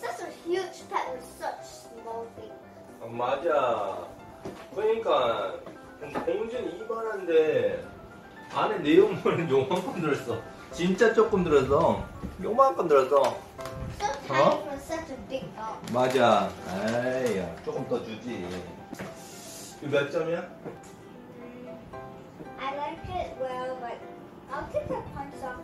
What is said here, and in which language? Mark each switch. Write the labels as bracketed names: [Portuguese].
[English] Such a huge pet with such small feet. [Korean] 아, 맞아. 그러니까 동전 이만한데 안에 내용물은 요만큼 들었어. 진짜 조금 들었어. 요만큼 들었어. [English] So tiny for such a big dog. [Korean] 맞아. 아이야, 조금 더 주지. 이거 몇 점이야? [English] I like it well, but I'll take the points off